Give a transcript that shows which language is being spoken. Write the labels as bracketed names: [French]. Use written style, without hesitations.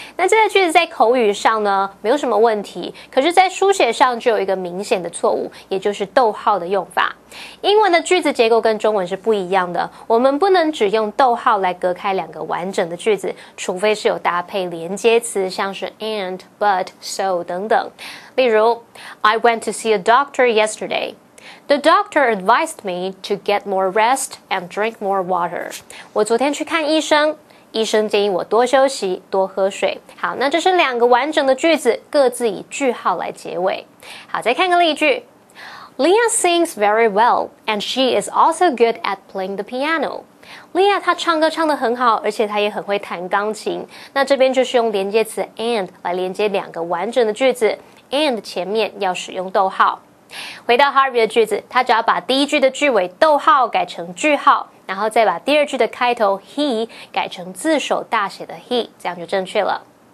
[Chinese] 那这个句子在口语上呢没有什么问题，可是在书写上就有一个明显的错误，也就是逗号的用法。英文的句子结构跟中文是不一样的，我们不能只用逗号来隔开两个完整的句子，除非是有搭配连接词，像是 and, but, so 等等。例如 [English] I went to see a doctor yesterday. The doctor advised me to get more rest and drink more water. [Chinese] 我昨天去看医生，医生建议我多休息，多喝水。好，那这是两个完整的句子，各自以句号来结尾。好，再看个例句。 [English] Leah sings very well, and she is also good at playing the piano. [Chinese] Leah 她唱歌唱得很好，而且她也很会弹钢琴。那这边就是用连接词 and 来连接两个完整的句子 ，and 前面要使用逗号。回到 Harvey 的句子，他只要把第一句的句尾逗号改成句号，然后再把第二句的开头 he 改成字首大写的 he， 这样就正确了。